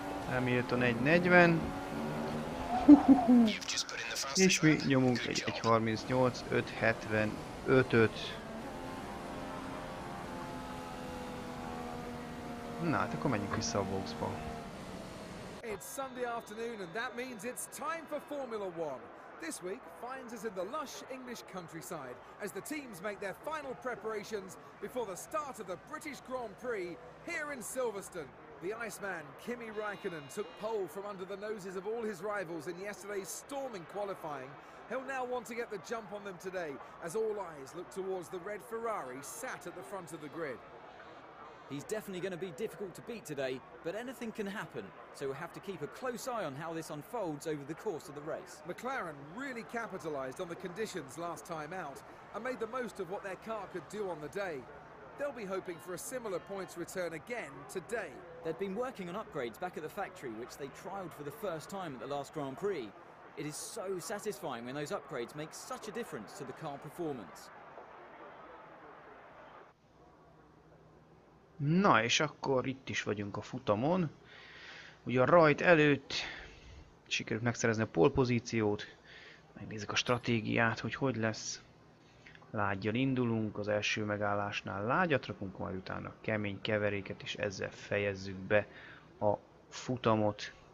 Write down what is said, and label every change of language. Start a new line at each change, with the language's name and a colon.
Hungarian: Hamilton 1.40. És mi nyomunk egy 1.38, 5.75-öt. Na, hát akkor menjünk vissza a boxba.
English: It's Sunday afternoon and that means it's time for Formula One. This week finds us in the lush English countryside as the teams make their final preparations before the start of the British Grand Prix here in Silverstone. The Iceman, Kimi Raikkonen, took pole from under the noses of all his rivals in yesterday's storming qualifying. He'll now want to get the jump on them today, as all eyes look towards the red Ferrari sat at the front of the grid. He's definitely going to be difficult to beat today, but anything can happen, so we'll have to keep a close eye on how this unfolds over the course of the race. McLaren really capitalised on the conditions last time out and made the most of what their car could do on the day. They'll be hoping for a similar points return again today. They've been working on upgrades back at the factory, which they trialled for the first time at the last Grand Prix. It is so satisfying when those upgrades make such a difference to the car performance.
Hungarian: Na és akkor itt is vagyunk a futamon. Ugye a rajt előtt sikerült megszerezni a pole pozíciót. Megnézzük a stratégiát, hogy hogy lesz. Lágyjal indulunk, az első megállásnál lágyat rakunk, majd utána kemény keveréket, és ezzel fejezzük be a futamot.